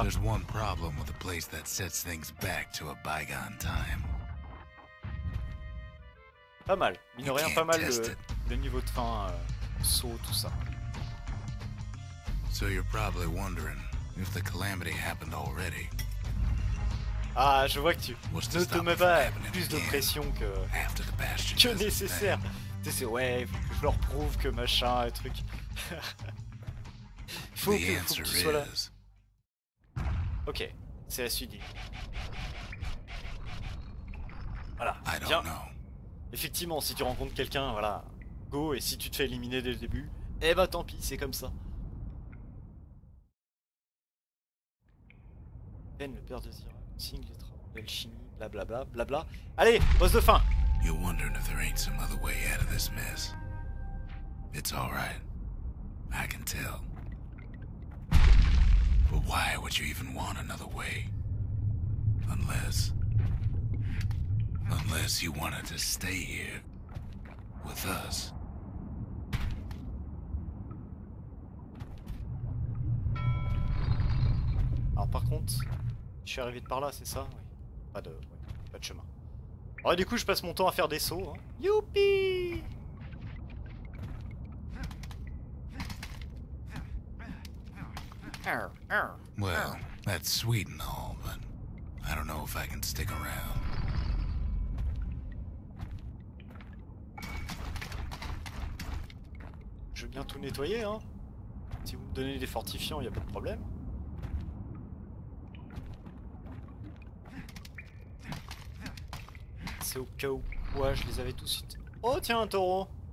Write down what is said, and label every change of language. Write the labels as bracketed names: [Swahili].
[English] There's one problem with a place that sets things back to a bygone time. [French] Pas mal, mine de rien, pas mal le niveau de fin, saut, tout ça. [English] So you're probably wondering if the calamity happened already. [French] Ah, je vois que tu ne te mets pas plus de pression que nécessaire. Tu sais, ouais, faut que je leur prouve que machin, un truc. faut que tu sois là. Ok, c'est la suite. Voilà, bien. Effectivement, si tu rencontres quelqu'un, voilà, go, et si tu te fais éliminer dès le début, eh ben tant pis, c'est comme ça. Ben, le père de Zira, signe les travaux de l'alchimie, blablabla, blablabla. Allez, boss de fin. [English] You're wondering if there ain't some other way out of this mess. It's all right. I can tell. But why would you even want another way? Unless you wanted to stay here with us. [French] Alors par contre, je suis arrivé de par là, c'est ça? Oui. Pas de chemin. Alors du coup, je passe mon temps à faire des sauts. Hein. Youpi! [English] Well, that's sweet and all, but I don't know if I can stick around. [French] Je veux bien tout nettoyer, hein. Si vous me donnez des fortifiants, y a pas de problème. C'est au cas où quoi, je les avais tout de suite. Oh tiens, un taureau.